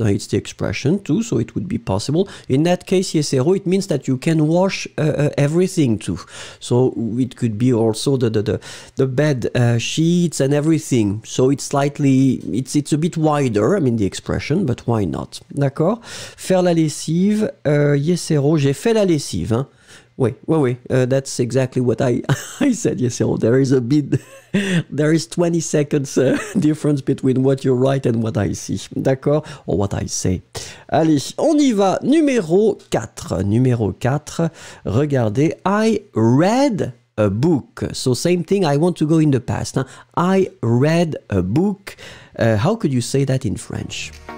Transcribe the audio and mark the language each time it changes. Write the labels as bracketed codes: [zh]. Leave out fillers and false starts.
[en] It's the expression too, so it would be possible. In that case, Yesero, it means that you can wash everything too. So it could be also the bed sheets and everything. So it's slightly, it's a bit wider, I mean the expression, but why not? [fr] D'accord? Faire la lessive, Yesero, j'ai fait la lessive, hein? [en] Oui, that's exactly what I said, Yesero. There is a bit, there is 20 seconds difference between what you write and what I see, d'accord, or what I say. [fr] Allez, on y va, numéro 4, regardez, [en] I read a book. So same thing, I want to go in the past. Hein? I read a book. How could you say that in French?